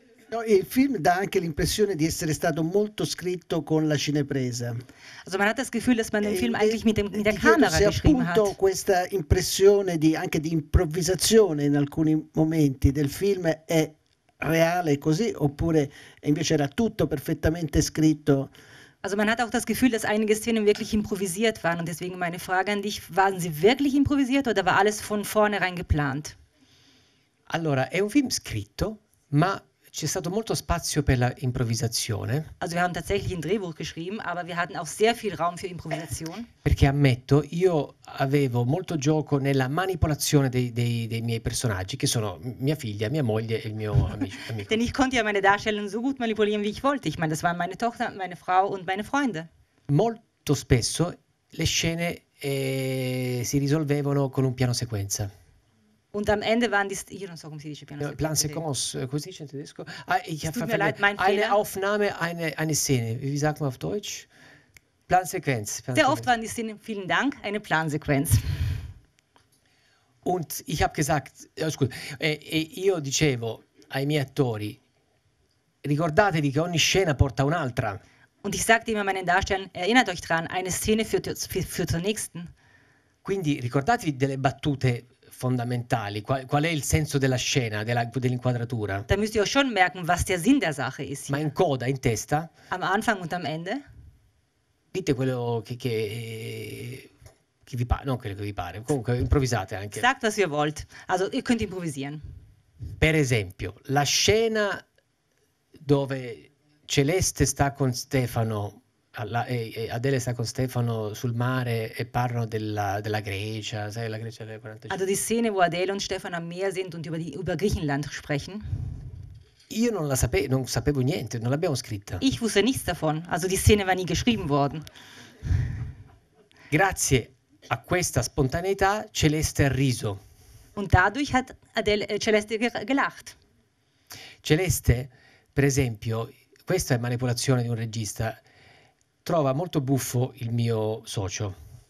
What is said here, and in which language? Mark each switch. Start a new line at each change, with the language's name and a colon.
Italian: No, il film dà anche l'impressione di essere stato molto scritto con la cinepresa.
German: Also man hat das Gefühl, dass man den Film eigentlich mit der Kamera geschrieben hat.
Italian: Appunto questa impressione di improvvisazione in alcuni momenti del film è reale così oppure invece era tutto perfettamente scritto?
German: Also man hat auch das Gefühl, dass einige Szenen wirklich improvisiert waren und deswegen meine Frage an dich, waren sie wirklich improvisiert oder war alles von vornherein geplant?
Italian: Allora, è un film scritto, ma c'è stato molto spazio per l'improvvisazione.
German: Also wir haben tatsächlich ein Drehbuch geschrieben, aber wir hatten auch sehr viel Raum für Improvisation.
Italian: Perché ammetto, io avevo molto gioco nella manipolazione dei miei personaggi, che sono mia figlia, mia moglie e il mio amico.
German: Denn ich konnte ja meine Darstellung so gut manipulieren, wie ich wollte. Ich meine, das waren meine Tochter, meine Frau und meine Freunde.
Italian: Molto spesso le scene si risolvevano con un piano sequenza.
German: Und am Ende waren die
Italian: io non so come si dice piano sequenza. Plan sequence, così in tedesco.
German: Ah, ich habe vergessen. Eine Aufnahme, eine Szene. Wie sagt man auf Deutsch?
English: Plan sequence.
German: Sehr oft waren die Szenen, vielen Dank, eine Plansequenz. Und ich habe gesagt,
Italian: io dicevo ai miei attori, ricordatevi che ogni scena porta un'altra.
German: Und ich sagte immer meinen Darstellern, erinnert euch dran, eine Szene führt zur nächsten.
Italian: Quindi ricordatevi delle battute fondamentali, qual è il senso della scena, dell'inquadratura?
German: Da müsst ihr auch schon merken, was der Sinn der Sache ist.
Italian: Ma in coda, in testa?
German: Am Anfang und am Ende?
Italian: Dite quello che vi pare, non quello che vi pare, comunque improvvisate anche.
German: Sagt was ihr wollt, also ihr könnt improvisieren.
Italian: Per esempio, la scena dove Celeste sta con Stefano, Adele sta con Stefano sul mare e parlano della Grecia, sai, la Grecia del 45.
German: Also die Szene, wo Adele und Stefano am Meer sind und über Griechenland sprechen.
Italian: Io non la sapevo, non sapevo niente, non l'abbiamo scritta.
German: Ich wusste nichts davon, also die Szene war nie geschrieben worden.
Italian: Grazie a questa spontaneità Celeste ha riso.
German: Und dadurch hat Celeste gelacht.
Italian: Celeste, per esempio, questa è manipolazione di un regista. Trova molto buffo il mio socio.